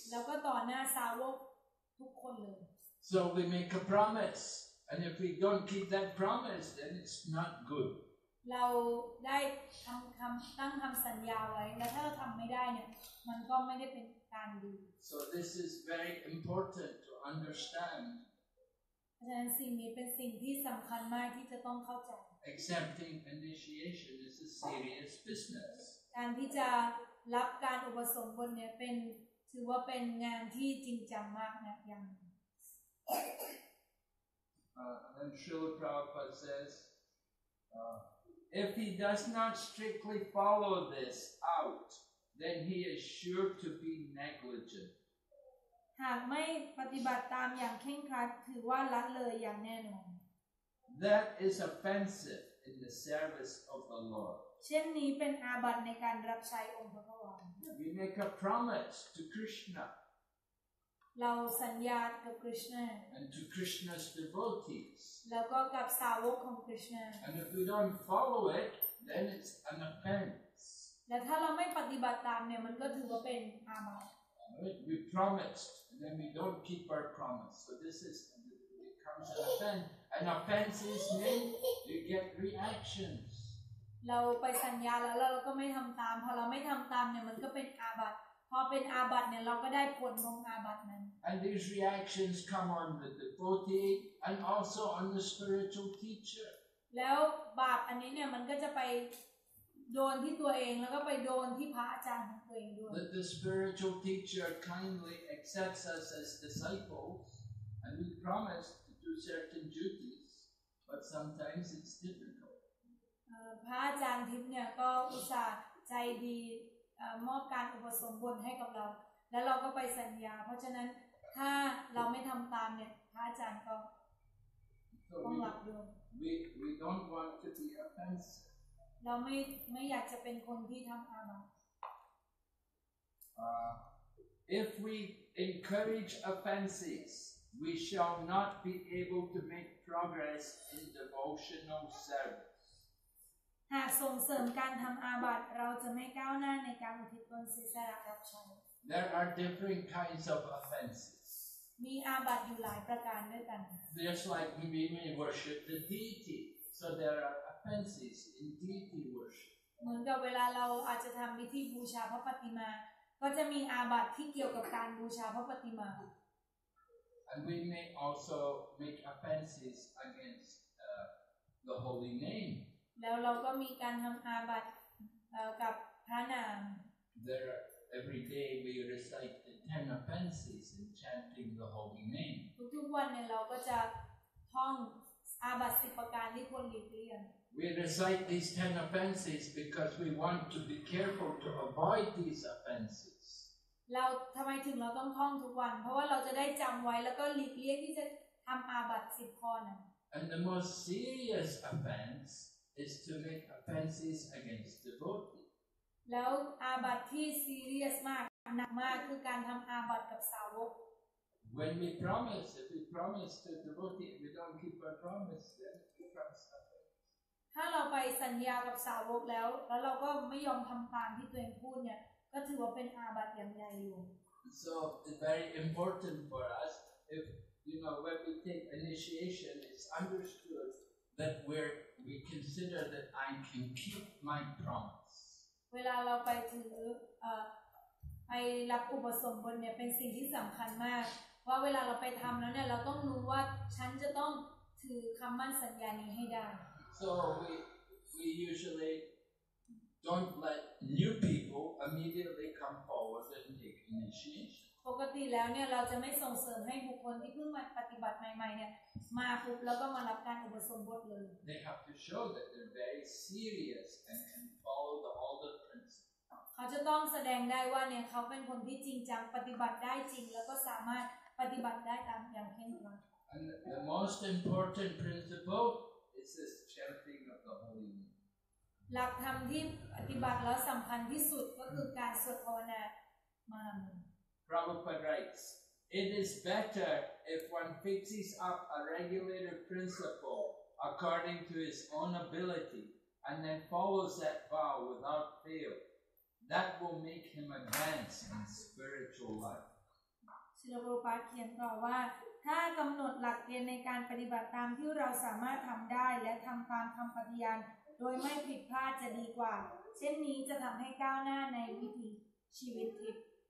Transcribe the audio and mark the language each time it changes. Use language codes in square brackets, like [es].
[th] แล้วก็ต่อหน้าสาวกทุกคนเลย [en] So we make a promise and if we don't keep that promise then it's not good [th] เราได้ทำคำตั้งคำสัญญาไว้แล้วถ้าเราทำไม่ได้เนี่ยมันก็ไม่ได้เป็นการดี [en] So this is very important to understand [th] อาจารย์สิ่งนี้เป็นสิ่งที่สำคัญมากที่จะต้องเข้าใจ [en] Accepting initiation is a serious business. [th] การที่จะรับการอุปสมบทเนี่ยเป็นถือว่าเป็นงานที่จริงจังมากนะยัง [en] And Srila Prabhupada says, if he does not strictly follow this out, then he is sure to be negligent. [th] หากไม่ปฏิบัติตามอย่างเคร่งครัดถือว่าละเลยอย่างแน่นอน [en] That is offensive in the service of the Lord. [th] เช่นนี้เป็นอาบัติในการรับใช้องค์พระผู้เป็นเจ้า [en] We make a promise to Krishna. [th] เราสัญญากับ Krishna. [en] And to Krishna's devotees. [th] แล้วก็กับสาวกของ Krishna. [en] And if we don't follow it, then it's an offense. [th] และถ้าเราไม่ปฏิบัติตามเนี่ยมันก็ถือว่าเป็นอาบัติ [en] We promised, and then we don't keep our promise. So this is becomes an offense. An offense is when you get reactions. [th] เราไปสัญญาแล้วเราก็ไม่ทำตามพอเราไม่ทำตามเนี่ยมันก็เป็นอาบัติพอเป็นอาบัติเนี่ยเราก็ได้ผลของอาบัตินั้น [en] And these reactions come on the devotee and also on the spiritual teacher. [th] แล้วบาปอันนี้เนี่ยมันก็จะไปโดนที่ตัวเองแล้วก็ไปโดนที่พระอาจารย์ของตัวเองด้วย [en] That the spiritual teacher kindly accepts us as disciples and we promise. Certain duties, but sometimes it's difficult. [th] พระอาจารย์ทิพย์เนี่ยก็อุตส่าห์ใจดีมอบการอุปสมบทให้กับเราแล้วเราก็ไปสัญญาเพราะฉะนั้นถ้าเราไม่ทำตามเนี่ยพระอาจารย์ก็ต้องหลับด้วย [en] We don't want to be offensive. [th] เราไม่อยากจะเป็นคนที่ทำอาบัติ [en] If we encourage offenses. We shall not be able to make progress in devotional service. [th] หากส่งเสริมการทำอาบัติเราจะไม่ก้าวหน้าในการอุทิศตนศีลสละรับใช้ [en] There are different kinds of offenses. [th] มีอาบัติอยู่หลายประการด้วยกัน [en] Just like we may worship the deity, so there are offenses in deity worship. [th] เหมือนกับเวลาเราอาจจะทำพิธีบูชาพระปฏิมาก็จะมีอาบัติที่เกี่ยวกับการบูชาพระปฏิมา [en] And we may also make offenses against the holy name. [th] แล้วเราก็มีการทำอาบัติกับพระนาม [en] There every day we recite the 10 offenses in chanting the holy name. [th] ทุกวันเนี่ยเราก็จะท่องอาบัติสิบประการที่ควรหลีกเลี่ยง [en] We recite these 10 offenses because we want to be careful to avoid these offenses. [th] เราทำไมถึงเราต้องท่องทุกวันเพราะว่าเราจะได้จำไว้แล้วก็หลีกเลี่ยงที่จะทำอาบัติสิบข้อนั้น [en] And the most serious offense is to make offenses against devotees [th] แล้วอาบัติที่ serious มากหนักมากคือการทำอาบัติกับสาวก [en] When we promise if we promise to a devotee we don't keep our promise then it becomes offense [th] ถ้าเราไปสัญญากับสาวกแล้วเราก็ไม่ยอมทำตามที่ตัวเองพูดเนี่ยก็ถือว่าเป็นอาบัติอย่างใหญ่อยู่ [en] So it's very important for us if you know when we take initiation it's understood that we consider that I can keep my promise [th] เวลาเราไปถือไปรับอุปสมบทเนี่ยเป็นสิ่งที่สำคัญมากเพราะเวลาเราไปทำแล้วเนี่ยเราต้องรู้ว่าฉันจะต้องถือคำมั่นสัญญานี้ให้ได้ [en] So we usuallyDon't let new people immediately come forward and take initiation. [th] ปกติแล้วเนี่ยเราจะไม่ส่งเสริมให้บุคคลที่เพิ่งมาปฏิบัติใหม่ๆเนี่ยมาปุ๊บแล้วก็มารับการอุปสมบทเลย [en] They have to show that they're very serious and can follow the older principles [th] เขาจะต้องแสดงได้ว่าเนี่ยเขาเป็นคนที่จริงจังปฏิบัติได้จริงแล้วก็สามารถปฏิบัติได้ตามอย่างเคร่งครัด [en] And the most important principle is this chanting of the holy name [th] หลักธรรมที่ปฏิบัติแล้วสำคัญที่สุดก็คือการสวดภาวนามา [en] Prabhupada writes, it is better if one fixes up a regulator principle according to his own ability and then follows that vow without fail. That will make him advance in spiritual life. [th] Srila Prabhupada เขียนต่อว่าถ้ากำหนดหลักเกณฑ์ในการปฏิบัติตามที่เราสามารถทำได้และทำตามคำปฏิญาณโดยไม่ผิดพลาดจะดีกว่าเช่นนี้จะทำให้ก้าวหน้าในวิถีชีวิตทิพย์